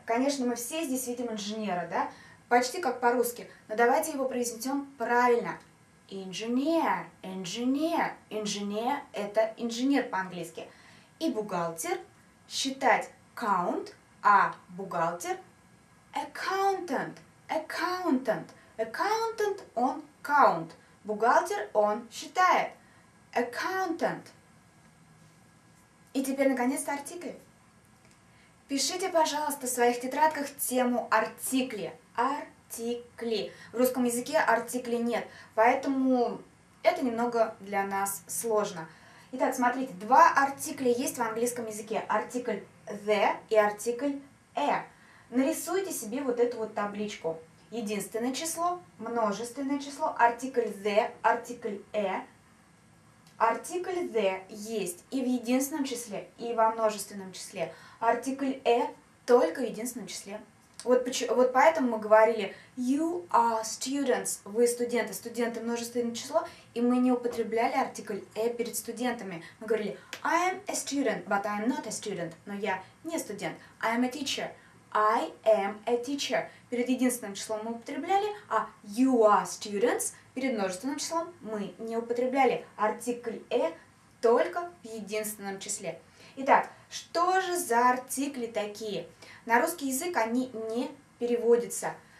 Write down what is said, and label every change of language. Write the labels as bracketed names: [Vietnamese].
[Russian] Конечно, мы все здесь видим инженера, да? Почти как по-русски. Но давайте его произнесем правильно. Инженер. Инженер. Инженер – это инженер по-английски. И бухгалтер считать count, а бухгалтер – accountant. [English] Accountant. Accountant – он count. [Russian] Бухгалтер – он считает. Accountant. И теперь, наконец-то, артикль. Пишите, пожалуйста, в своих тетрадках тему артикли. Артикли. В русском языке артикли нет, поэтому это немного для нас сложно. Итак, смотрите, два артикля есть в английском языке. Артикль the и артикль a. Нарисуйте себе вот эту вот табличку. Единственное число, множественное число, артикль the, артикль a. Артикль the есть и в единственном числе, и во множественном числе. Артикль e только в единственном числе. Вот поэтому мы говорили you are students, вы студенты, студенты множественное число, и мы не употребляли артикль a перед студентами. Мы говорили I am a student, but I am not a student, но я не студент. [English] I am a teacher, I am a teacher. [Russian] Перед единственным числом мы употребляли, а you are students перед множественным числом мы не употребляли артикль a только в единственном числе. Итак, что же за артикли такие? На русский язык они не переводятся.